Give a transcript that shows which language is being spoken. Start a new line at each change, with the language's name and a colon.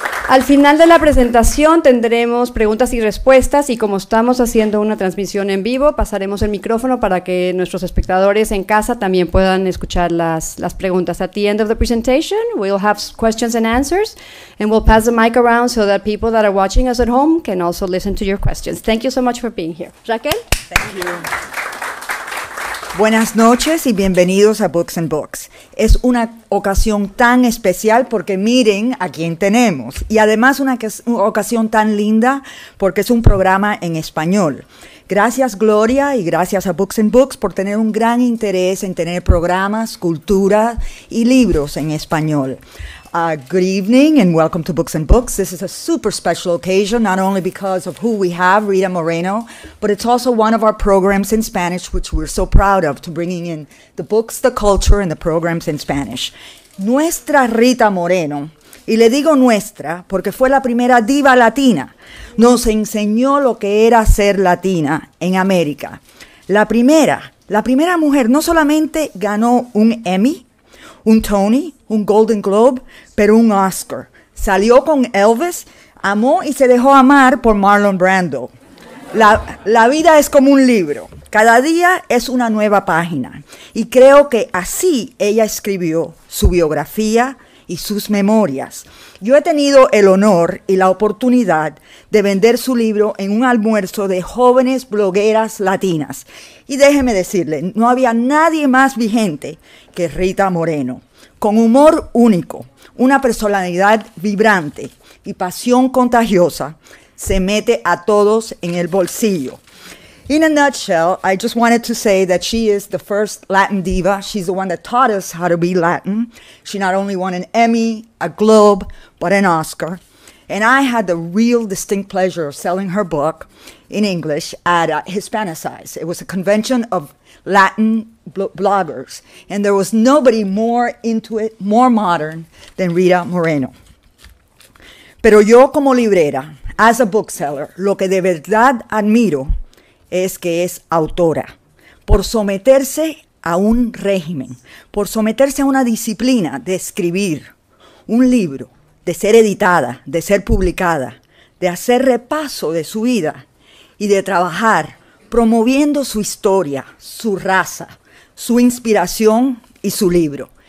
Spanish: Al final de la presentación tendremos preguntas y respuestas y como estamos haciendo una transmisión en vivo, pasaremos el micrófono para que nuestros espectadores en casa también puedan escuchar las preguntas.
English: At the end of the presentation, we'll have questions and answers and we'll pass the mic around so that people that are watching us at home can also listen to your questions. Thank you so much for being here. Raquel. Thank you.
Spanish: Buenas noches y bienvenidos a Books and Books. Es una ocasión tan especial porque miren a quién tenemos. Y además una ocasión tan linda porque es un programa en español. Gracias Gloria y gracias a Books and Books por tener un gran interés en tener programas, cultura y libros en español.
English: Good evening and welcome to Books and Books. This is a super special occasion, not only because of who we have, Rita Moreno, but it's also one of our programs in Spanish, which we're so proud of, to bringing in the books, the culture, and the programs in Spanish.
Spanish: Nuestra Rita Moreno, y le digo nuestra porque fue la primera diva latina, nos enseñó lo que era ser latina en América. La primera mujer no solamente ganó un Emmy, un Tony, un Golden Globe, pero un Oscar. Salió con Elvis, amó y se dejó amar por Marlon Brando. La vida es como un libro. Cada día es una nueva página. Y creo que así ella escribió su biografía y sus memorias. Yo he tenido el honor y la oportunidad de vender su libro en un almuerzo de jóvenes blogueras latinas. Y déjeme decirle, no había nadie más vigente que Rita Moreno. Con humor único, una personalidad vibrante y pasión contagiosa, se mete a todos en el bolsillo.
English: In a nutshell, I just wanted to say that she is the first Latin diva. She's the one that taught us how to be Latin. She not only won an Emmy, a Globe, but an Oscar. And I had the real distinct pleasure of selling her book in English at Hispanicize. It was a convention of Latin bloggers, and there was nobody more into it, more modern, than Rita Moreno.
Spanish: Pero yo como librera,
English: as a bookseller,
Spanish: lo que de verdad admiro es que es autora, por someterse a un régimen, por someterse a una disciplina de escribir un libro, de ser editada, de ser publicada, de hacer repaso de su vida y de trabajar promoviendo su historia, su raza, su inspiración y su libro.